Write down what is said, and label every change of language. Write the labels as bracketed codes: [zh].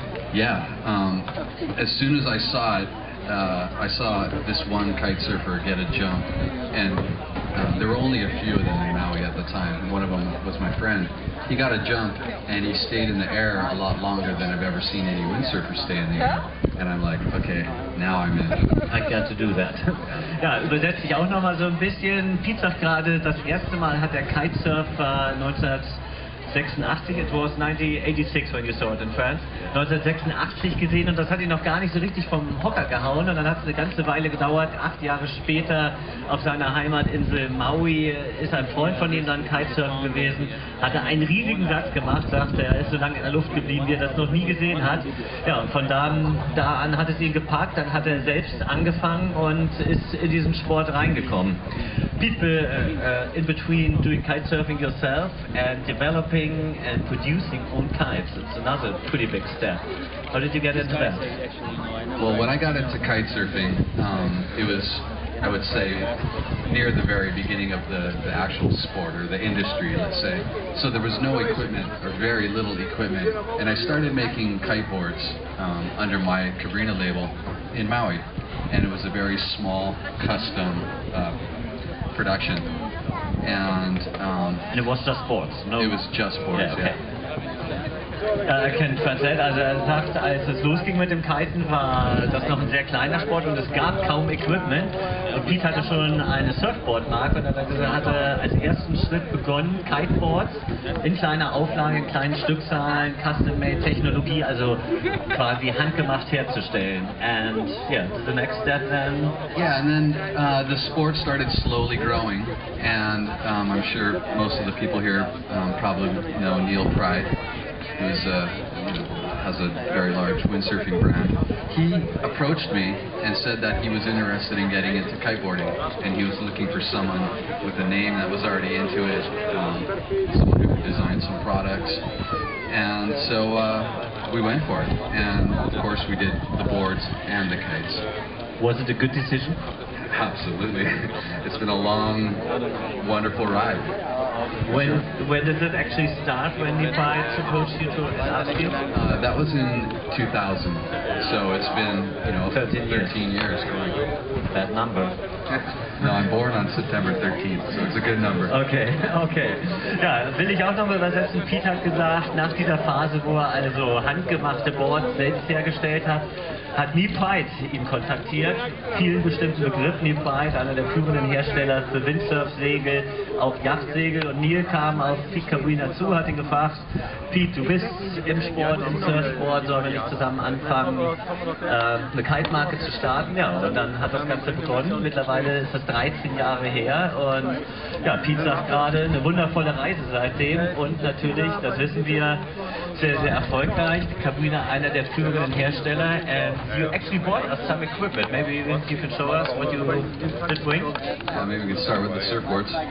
[en] Yeah. As soon as I saw it, I saw this one kite surfer get a jump. And there were only a few of them in Maui at the time. One of them was my friend. He got a jump, and he stayed in the air a lot longer than I've ever seen any windsurfer stay in the air. And I'm like, okay, now I'm in. I got to do that. [de] Ja, übersetze ich auch nochmal so ein bisschen. Pete sagt gerade, das erste Mal hat der Kitesurfer 1986, [en] it was 1986 when you saw it in France, [de] 1986 gesehen, und das hat ihn noch gar nicht so richtig vom Hocker gehauen. Und dann hat es eine ganze Weile gedauert. 8 Jahre später auf seiner Heimatinsel Maui ist ein Freund von ihm dann Kitesurfen gewesen, hatte einen riesigen Satz gemacht, sagte er, ist so lange in der Luft geblieben, wie er das noch nie gesehen hat. Ja, und von da an hat es ihn gepackt, dann hat er selbst angefangen und ist in diesen Sport reingekommen. [en] People in between doing kitesurfing yourself and developing and producing own kites, it's another pretty big step. How did you get into that? Well, when I got into kitesurfing, it was, I would say, near the very beginning of the actual sport or the industry, let's say. So there was no equipment or very little equipment, and I started making kiteboards under my Cabrina label in Maui, and it was a very small custom production. And and it was just boards. No, it was just boards. Yeah. Okay. Yeah. I can translate. [de] Also er sagt, als es losging mit dem Kiten, war das noch ein sehr kleiner Sport und es gab kaum Equipment. Und Pete hatte schon eine Surfboard-Marke und er hatte als ersten Schritt begonnen, Kiteboards in kleiner Auflage, in kleinen Stückzahlen, Custom-Made-Technologie, also quasi handgemacht herzustellen. [en] And yeah, the next step then? Yeah, and then the sport started slowly growing. And I'm sure most of the people here probably know Neil Pry, who has a very large windsurfing brand. He approached me and said that he was interested in getting into kiteboarding, and he was looking for someone with a name that was already into it, someone who could design some products. And so we went for it, and of course we did the boards and the kites. Was it a good decision? Absolutely. It's been a long, wonderful ride. When did it actually start, when Nipai approached you to ask you? That was in 2000, so it's been, you know, 13 years going. That number. No, I'm born on September 13th, so it's a good number. [de] Okay. Ja, will ich auch nochmal übersetzen. Pete hat gesagt, nach dieser Phase, wo er also handgemachte Boards selbst hergestellt hat, hat Nipai ihn kontaktiert. Vielen bestimmten Begriff, Nipai, einer der führenden Hersteller für Windsurfsegel, auch Yachtsegel. Und Neil kam auf Pete Cabrina zu, hat ihn gefragt, Pete, du bist im Sport, im Surfsport, sollen wir nicht zusammen anfangen, eine Kite-Marke zu starten? Ja, und dann hat das Ganze begonnen. Mittlerweile ist das 13 Jahre her. Und ja, Pete sagt gerade, eine wundervolle Reise seitdem. Und natürlich, das wissen wir, sehr, sehr erfolgreich. [en] Cabrina, [de] einer der führenden Hersteller. [en] You actually bought us some equipment. Maybe you can show us what you did bring. Yeah, maybe we can start with the surfboards.